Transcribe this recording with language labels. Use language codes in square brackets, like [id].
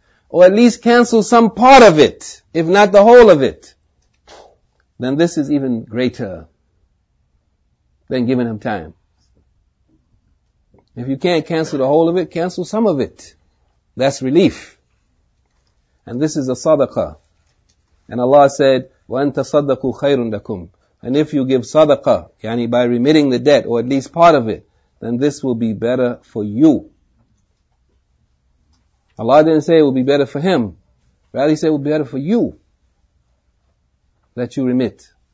[en] Or at least cancel some part of it, if not the whole of it. Then this is even greater than giving him time. If you can't cancel the whole of it, cancel some of it. That's relief. And this is a sadaqah. And Allah said, [ar] وَأَنْتَ صَدَّقُوا خَيْرٌ لَكُمْ. [en] And if you give sadaqah, yani by remitting the debt, or at least part of it, then this will be better for you. Allah didn't say it will be better for him. Rather, he said it will be better for you that you remit.